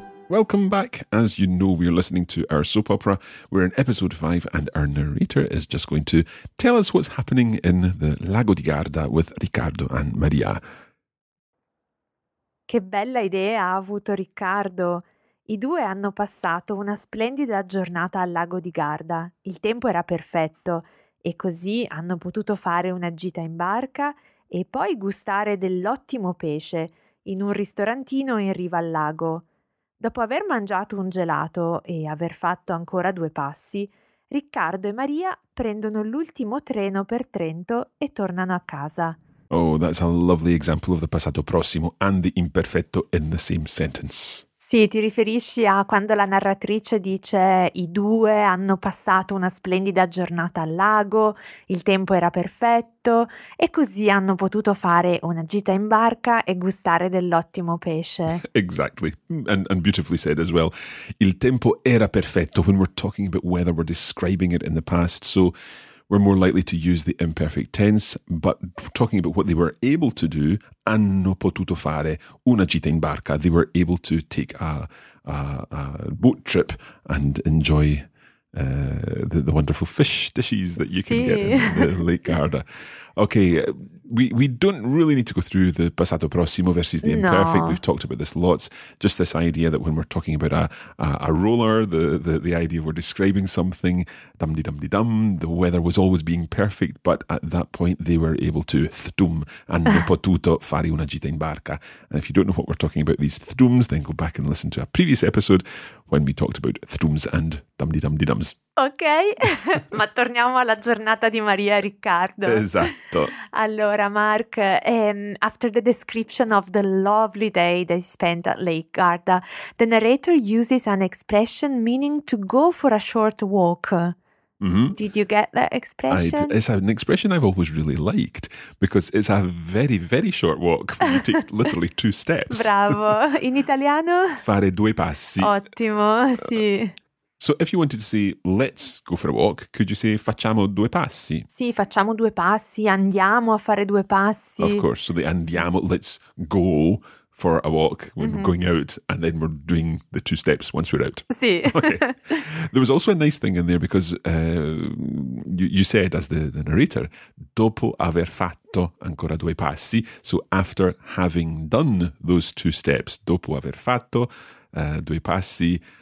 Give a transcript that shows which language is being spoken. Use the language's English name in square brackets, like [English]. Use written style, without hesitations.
[English] Welcome back. As you know, we are listening to our soap opera. We're in episode 5 and our narrator is just going to tell us what's happening in the Lago di Garda with Riccardo and Maria. [Italian] Che bella idea ha avuto Riccardo. I due hanno passato una splendida giornata al Lago di Garda. Il tempo era perfetto e così hanno potuto fare una gita in barca e poi gustare dell'ottimo pesce in un ristorantino in riva al lago. Dopo aver mangiato un gelato e aver fatto ancora due passi, Riccardo e Maria prendono l'ultimo treno per Trento e tornano a casa. [English] Oh, that's a lovely example of the passato prossimo and the imperfetto in the same sentence. [Italian] Sì, ti riferisci a quando la narratrice dice i due hanno passato una splendida giornata al lago, il tempo era perfetto e così hanno potuto fare una gita in barca e gustare dell'ottimo pesce. [English] Exactly, and beautifully said as well. [Italian] Il tempo era perfetto. [English] When we're talking about weather, we're describing it in the past, so we're more likely to use the imperfect tense, but talking about what they were able to do, [Italian] hanno potuto fare una gita in barca. [English] They were able to take a boat trip and enjoy the wonderful fish dishes that you can get in the Lake Garda. Okay, we don't really need to go through the passato prossimo versus the imperfect. No. We've talked about this lots. Just this idea that when we're talking about a roller, the idea we're describing something, dum-di-dum-di-dum, the weather was always being perfect, but at that point they were able to thtum, [Italian] hanno potuto fare una gita in barca. [English] And if you don't know what we're talking about, these thtums, then go back and listen to a previous episode when we talked about thtums and dum-di-dum-di-dums. [Italian] Ok, ma torniamo alla giornata di Maria e Riccardo. Esatto. [English] Allora, Mark, after the description of the lovely day they spent at Lake Garda, the narrator uses an expression meaning to go for a short walk. Mm-hmm. Did you get that expression? It's an expression I've always really liked because it's a very, very short walk. You take literally two steps. [Italian] Bravo. In italiano? Fare due passi. Ottimo, sì. [English] So if you wanted to say, let's go for a walk, could you say, [Italian] facciamo due passi? Sì, facciamo due passi, andiamo a fare due passi. [English] Of course, so the andiamo, let's go for a walk when mm-hmm. we're going out, and then we're doing the two steps once we're out. [Italian] Sì. [English] Okay. There was also a nice thing in there because you said, as the narrator, [Italian] dopo aver fatto ancora due passi, [English] so after having done those two steps, dopo aver fatto due passi,